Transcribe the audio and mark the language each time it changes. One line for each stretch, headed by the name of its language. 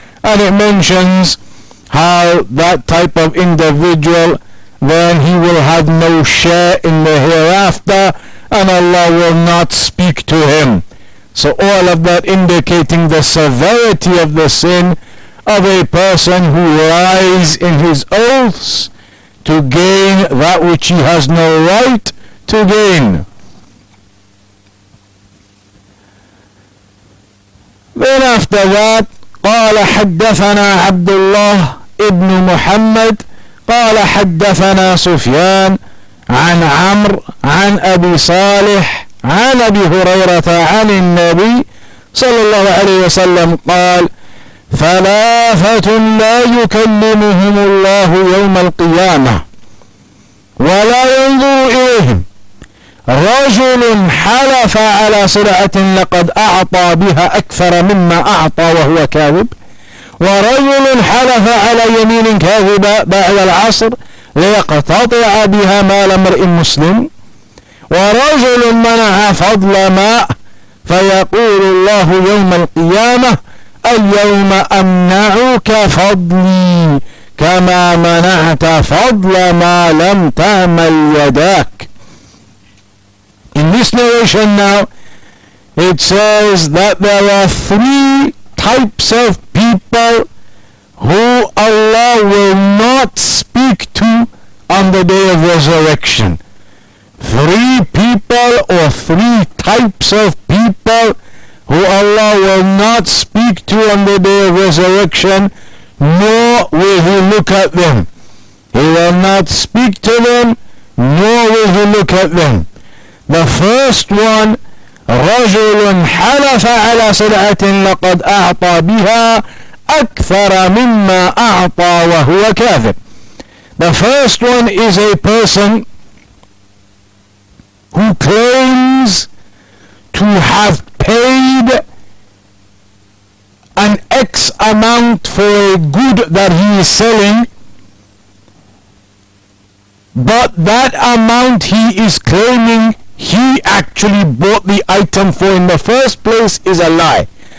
English: And it mentions how that type of individual, then he will have no share in the hereafter, and Allah will not speak to him. So all of that indicating the severity of the sin of a person who lies in his oaths to gain that which he has no right to gain. Then after that,
Arabic: قال حدثنا عبد الله ابن محمد قال حدثنا سفيان عن عمرو عن أبي صالح عن أبي هريرة عن النبي صلى الله عليه وسلم قال ثلاثة لا يكلمهم الله يوم القيامة ولا ينظر إليهم رجل حلف على سلعة لقد أعطى بها أكثر مما أعطى وهو كاذب ورجل حلف على يمين كاذبة بعد العصر ليقتطع بها مال امرئ مسلم ورجل منع فضل ماء فيقول الله يوم القيامة اليوم أمنعك فضلي كما منعت فضل ما لم تعمل يداك.
English: In this narration now, it says that there are three types of people who Allah will not speak to on the day of resurrection. Three people or three types of people who Allah will not speak to on the day of resurrection, nor will he look at them. He will not speak to them, nor will he look at them. The first one,
Arabic: رجل حلف على سلعة لقد أعطى بها أكثر مما أعطى وهو كاذب.
English: The first one is a person who claims to have paid an X amount for a good that he is selling, but that amount he is claiming he actually bought the item for in the first place is a lie.